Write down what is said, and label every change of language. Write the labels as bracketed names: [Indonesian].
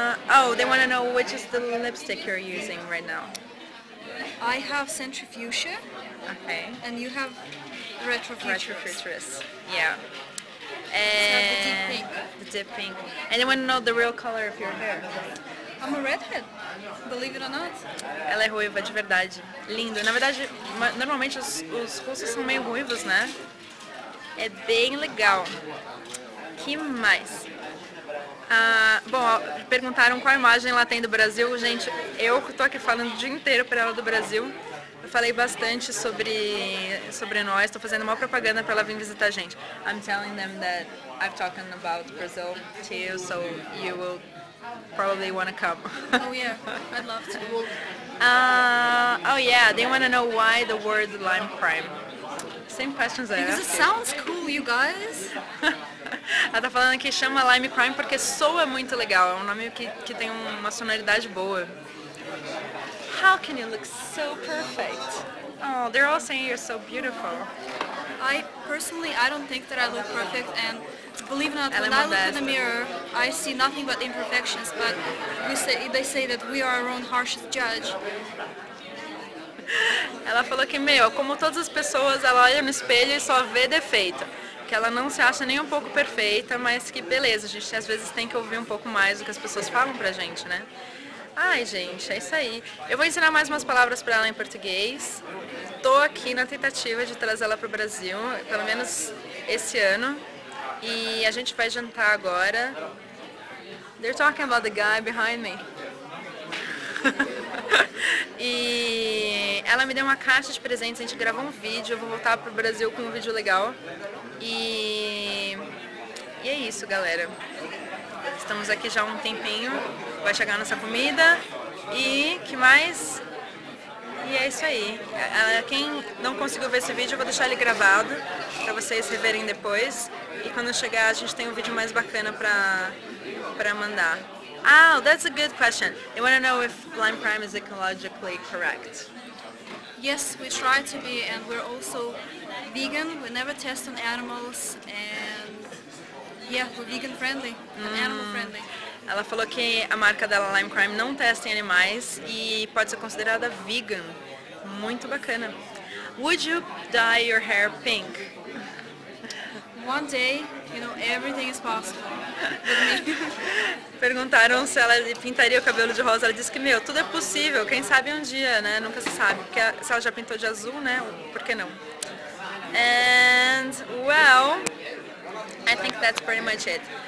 [English] Oh, they want to know which is the lipstick you're using right now. I have Centrifuge. Okay. And you have Retrofuturist. Retrofuturist, yeah. And the deep pink. Anyone know the real color of your hair? I'm a redhead, believe it or not. [Portuguese] Ela é ruiva, de verdade. Lindo. Na verdade, normalmente os rostos são meio ruivos, né? É bem legal. Que mais? Bom, perguntaram qual imagem ela tem do Brasil. Gente, eu tô aqui falando o dia inteiro pra ela do Brasil. Eu falei bastante sobre nós. Tô fazendo uma propaganda pra ela vir visitar a gente. [English] I'm telling them that I've talked about Brazil to you, so you will... probably want to come. Oh yeah, I'd love to. Oh yeah, they want to know why the word lime crime. Same questions there. Because it sounds cool, you guys. [Portuguese] Ela tá falando que chama lime crime porque soa muito legal. É um nome que tem uma sonoridade boa. [English] How can you look so perfect? Oh, they're all saying you're so beautiful. I personally don't think that I look perfect, and believe it or not, when I look in the mirror, I see nothing but imperfections, but they say that we are our own harshest judge. [Portuguese] Ela falou que, meu, como todas as pessoas, ela olha no espelho e só vê defeito. Que ela não se acha nem um pouco perfeita, mas que beleza, a gente às vezes tem que ouvir um pouco mais do que as pessoas falam pra gente, né? Ai, gente, é isso aí. Eu vou ensinar mais umas palavras pra ela em português. Tô aqui na tentativa de trazer ela pro Brasil, pelo menos esse ano. E a gente vai jantar agora. [English] They're talking about the guy behind me. [Portuguese] E ela me deu uma caixa de presentes, a gente gravou um vídeo, eu vou voltar pro Brasil com um vídeo legal. E é isso, galera. Estamos aqui já há um tempinho, vai chegar a nossa comida. E que mais? E é isso aí. Quem não conseguiu ver esse vídeo, eu vou deixar ele gravado pra vocês reverem depois. E quando chegar, a gente tem um vídeo mais bacana pra mandar. [English] Oh, that's a good question. You want to know if Lime Crime is ecologically correct? Yes, we try to be, and we're also vegan. We never test on animals, and yeah, we're vegan friendly, animal friendly. [Portuguese] Ela falou que a marca dela, Lime Crime, não testa em animais e pode ser considerada vegan. Muito bacana. [English] Would you dye your hair pink? One day, you know, everything is possible. [Portuguese] Perguntaram se ela pintaria o cabelo de rosa. Ela disse que, meu, tudo é possível. Quem sabe um dia, né? Nunca se sabe. Porque se ela já pintou de azul, né? Por que não? [English] And, well, I think that's pretty much it.